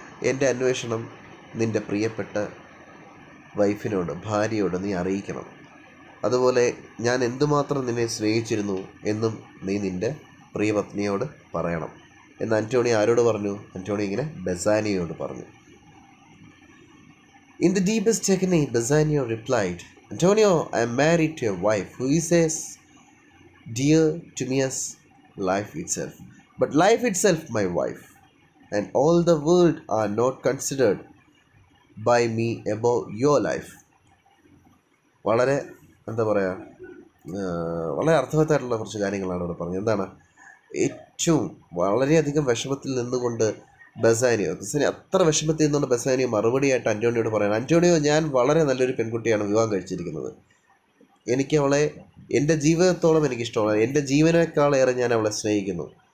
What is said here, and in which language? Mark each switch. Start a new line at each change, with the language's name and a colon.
Malayalam: എൻ്റെ അന്വേഷണം നിൻ്റെ പ്രിയപ്പെട്ട വൈഫിനോട് ഭാര്യയോട് നീ അറിയിക്കണം, അതുപോലെ ഞാൻ എന്തുമാത്രം നിന്നെ സ്നേഹിച്ചിരുന്നു എന്നും നീ നിൻ്റെ പ്രിയപത്നിയോട് പറയണം എന്ന് ആന്റോണി ആരോട് പറഞ്ഞു, ആന്റോണി ഇങ്ങനെ ബസാനിയോട് പറഞ്ഞു.
English: In the deepest agony, Bassanio replied, Antonio, I am married to your wife, who is as dear to me as life itself. But life itself, my wife, and all the world are not considered by me above your life.
Malayalam: വളരെ എന്താ പറയുക, വളരെ അർത്ഥവത്തായിട്ടുള്ള കുറച്ച് കാര്യങ്ങളാണ് അവിടെ പറഞ്ഞത്. എന്താണ്, ഏറ്റവും വളരെയധികം വിഷമത്തിൽ നിന്നുകൊണ്ട് ബസാനിയോ, ബസാനി അത്ര വിഷമത്തിൽ നിന്നുള്ള ബസാനിയോ മറുപടിയായിട്ട് ആന്റോണിയോട് പറയുകയാണ്, ആന്റോണിയോ ഞാൻ വളരെ നല്ലൊരു പെൺകുട്ടിയാണ് വിവാഹം കഴിച്ചിരിക്കുന്നത്, എനിക്ക് അവളെ എൻ്റെ ജീവിതത്തോളം എനിക്കിഷ്ടമാണ്, എൻ്റെ ജീവനേക്കാളേറെ ഞാൻ അവളെ സ്നേഹിക്കുന്നു,